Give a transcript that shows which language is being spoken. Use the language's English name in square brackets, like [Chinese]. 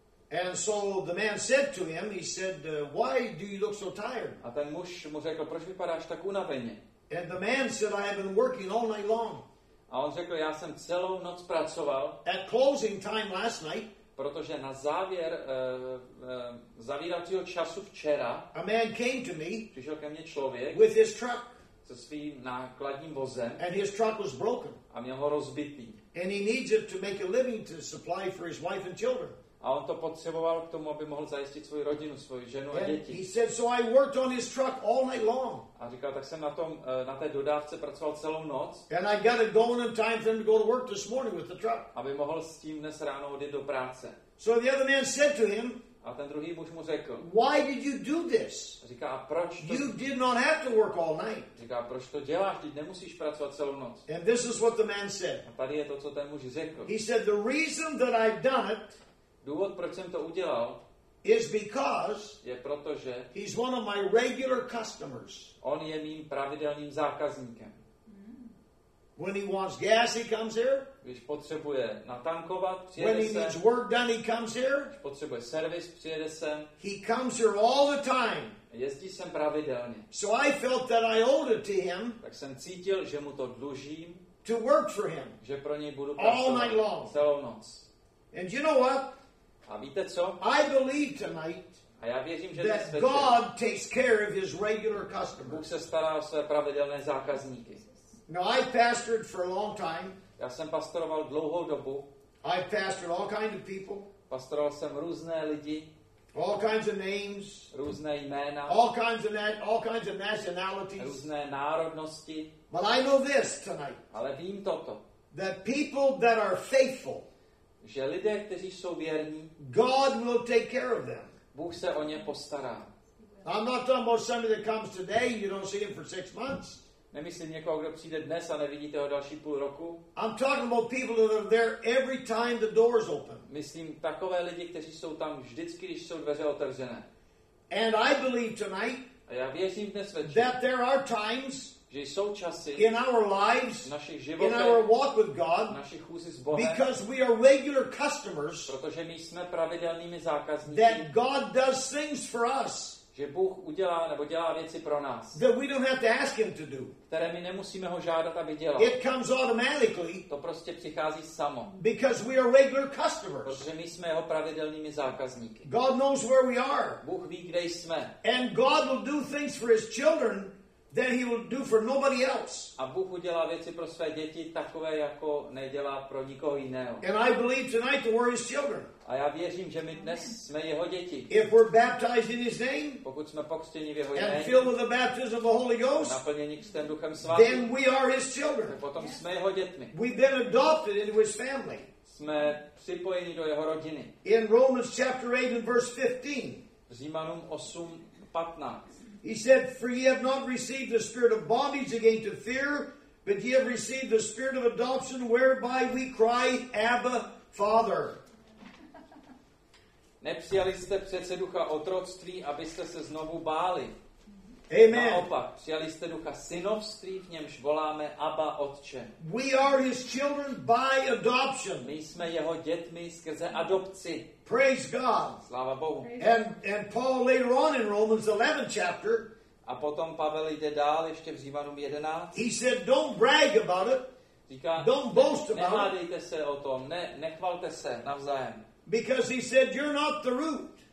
[English] And so the man said to him, he said, why do you look so tired? [Czech] A ten muž mu řekl, proč vypadáš tak unaveně? [English] And the man said, I have been working all night long. [Czech] A on řekl, já jsem celou noc pracoval. [English] At closing time last night. [Czech] Protože na závěr zavíracího času včera [English] a man came to me, [Czech] přišel ke mně člověk [English] with his truck, [Czech] se svým nákladním vozem [English] and his truck was broken, [Czech] a měl ho rozbitý. [English] And he needs it to make a living to supply for his wife and children. [Czech] A on to potřeboval k tomu, aby mohl zajistit svoji rodinu, svoji ženu a děti. [English] He said, so I worked on his truck all night long. [Czech] A říkal, tak jsem na tom na té dodávce pracoval celou noc. [English] And I got it going in time for him to go to work this morning with the truck. [Czech] Aby mohl s tím dnes ráno odjet do práce. [English] So the other man said to him, [Czech] a ten druhý muž mu řekl, [English] why did you do this? [Czech] Říká, proč to? [English] You did not have to work all night. [Czech] Říká, proč to děláš? Ty nemusíš pracovat celou noc. [English] And this is what the man said. [Czech] A tady je to, co ten muž řekl. [English] He said, the reason that I've done it, [Czech] důvod, proč jsem to udělal, [English] is because [Czech] je proto, že [English] he's one of my regular customers. [Czech] On je mým pravidelným zákazníkem. [English] When he wants gas, he comes here. [Czech] Když potřebuje natankovat, přijede sem. [English] When he needs work done, he comes here. [Czech] Když potřebuje servis, přijede sem. [English] He comes here all the time. [Czech] Jezdí sem pravidelně. [English] So I felt that I owed it to him. [Czech] Tak jsem cítil, že mu to dlužím. [English] To work for him. [Czech] Že pro něj budu pracovat celou noc. [English] And you know what? [Czech] A víte co? [English] I believe tonight [Czech] a já věřím, že [English] that God takes care of his regular customers. [Czech] Bůh se stará o své pravidelné zákazníky. [English] Now I pastored for a long time. [Czech] Já jsem pastoroval dlouhou dobu. [English] I pastored all kinds of people. [Czech] Pastoroval jsem různé lidi. [English] All kinds of names. [Czech] Různé jména. [English] All kinds of nationalities. [Czech] Různé národnosti. [English] But I know this tonight. [Czech] Ale vím toto. [English] That people that are faithful, [Czech] že lidé, kteří jsou věrní, [English] God will take care of them. [Czech] Bůh se o ně postará. [English] I'm not talking about somebody that comes today, you don't see him for 6 months. [Czech] Nemyslím někoho, kdo přijde dnes a nevidíte ho další půl roku. [English] I'm talking about people that are there every time the doors open. [Czech] Myslím takové lidi, kteří jsou tam vždycky, když jsou dveře otevřené. [English] And I believe tonight, [Czech] a já věřím dnes večer, [English] that there are times, [Czech] že jsou časy [English] in our lives, [Czech] v našich životech, [English] in our walk with God, [Czech] v našich chůzi s Bohem, [English] because we are regular customers, [Czech] protože my jsme pravidelnými zákazníky, [English] that God does things for us, [Czech] že Bůh udělá nebo dělá věci pro nás. [English] That we don't have to ask him to do. [Czech] Které my nemusíme ho žádat, aby dělal. [English] It comes automatically. [Czech] To prostě přichází samo. [English] Because we are regular customers. [Czech] Protože my jsme jeho pravidelnými zákazníky. [English] God knows where we are. [Czech] Bůh ví, kde jsme. [English] And God will do things for his children that he will do for nobody else. [Czech] A Bůh udělá věci pro své děti takové, jako nedělá pro nikoho jiného. [English] And I believe tonight that we're his children. [Czech] A já věřím, že my dnes jsme jeho děti. [English] If we're baptized in his name, [Czech] pokud jsme pokřtěni v jeho jméně, [English] and filled with the baptism of the Holy Ghost, [Czech] naplněni křtem Duchem Svatým, [English] then we are his children. [Czech] Potom jsme jeho dětmi. [English] We've been adopted into his family. [Czech] Jsme připojeni do jeho rodiny. [English] In Romans chapter 8 and verse 15. [Czech] Římanům 8, 15. [English] He said, for ye have not received the spirit of bondage again to fear, but ye have received the spirit of adoption whereby we cry, Abba, Father. [Czech] Nepřijali jste přece ducha otroctví, abyste se znovu báli. [English] Amen. [Czech] Naopak, přijali jste ducha synovství, v němž voláme Abba Otče. [English] We are his children by adoption. [Czech] My jsme jeho dětmi skrze adopci. [English] Praise God. [Czech] Sláva Bohu. [English] And Paul later on in Romans 11 chapter. [Czech] A potom Pavel jde dál, ještě v Římanům 11. [English] He said, don't brag about it. [Czech] Říká, [English] don't boast about it. [Czech] Nehádejte se o tom, nechvalte se navzájem. [English] Because he said you're not the root.